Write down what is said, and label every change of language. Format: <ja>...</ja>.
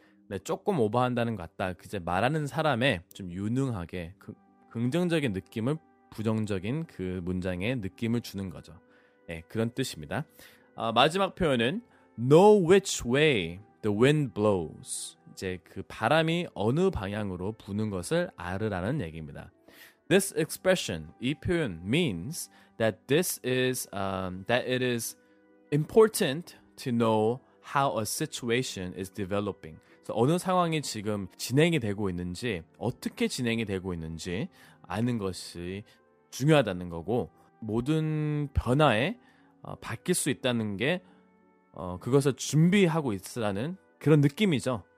<ko>네, 조금 오버한다는 것 같다. 이제 말하는 사람의 좀 유능하게 그 긍정적인 느낌을 부정적인 그 문장의 느낌을 주는 거죠. 네, 그런 뜻입니다. 아, 마지막 표현은</ko> <en>Know which way the wind blows.</en> <ko>이제 그 바람이 어느 방향으로 부는 것을 알으라는 얘기입니다.</ko> <en>This expression,</en> <ko>이 표현</ko> <en>means that this is that it is important to know how a situation is developing.</en> <ko>So 어느 상황이 지금 진행이 되고 있는지, 어떻게 진행이 되고 있는지 아는 것이 중요하다는 거고 모든 변화에 바뀔 수 있다는 게 그것을 준비하고 있으라는 그런 느낌이죠.</ko>